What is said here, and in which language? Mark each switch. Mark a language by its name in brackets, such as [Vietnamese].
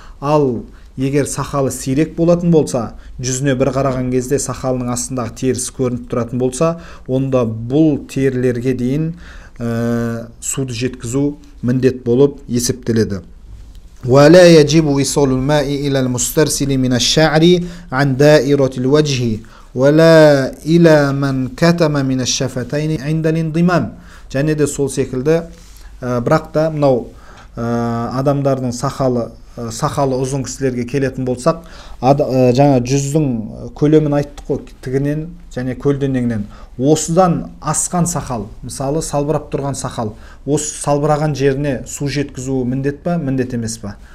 [Kazakh] Ал егер сақалы сирек болатын болса, жүзіне бір қараған кезде сақалының астындағы терісі көрініп тұратын болса, онда бұл терілерге дейін суды жеткізу міндет болып есептеледі. [Arabic] ولا يجب إيصال الماء إلى المسترسل من الشعر عن دائرة الوجه ولا إلى من كتم من الشفتين عند الانضمام. [Kazakh] Және де сол секілді, бірақ та мынау адамдардың сақалы ұзын кісілерге келетін болсақ, жаңа жүздің көлемін айттық қой, тігінен және көлденеңнен. Осыдан асқан сақал, мысалы салбырап тұрған сақал, осы салбыраған жеріне су жеткізуі міндет па, міндет емес па?